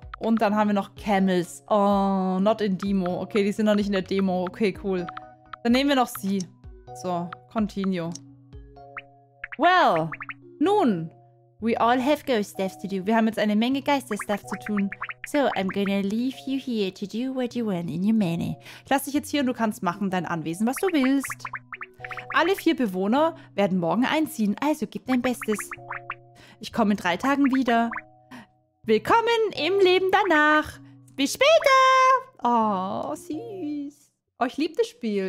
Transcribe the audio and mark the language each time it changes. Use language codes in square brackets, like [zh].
[de] Und dann haben wir noch Camels. Oh, [en] not in Demo. [de] Okay, die sind noch nicht in der Demo. Okay, cool. Dann nehmen wir noch sie. So, continue. [en] Well, nun. We all have ghost stuff to do. [de] Wir haben jetzt eine Menge Geisterstuff zu tun. [en] So, I'm gonna leave you here to do what you want in your manny. [de] Ich lasse dich jetzt hier und du kannst machen dein Anwesen, was du willst. Alle vier Bewohner werden morgen einziehen. Also, gib dein Bestes. Ich komme in 3 Tagen wieder. Willkommen im Leben danach. Bis später. Oh, süß. Oh, ich liebe das Spiel.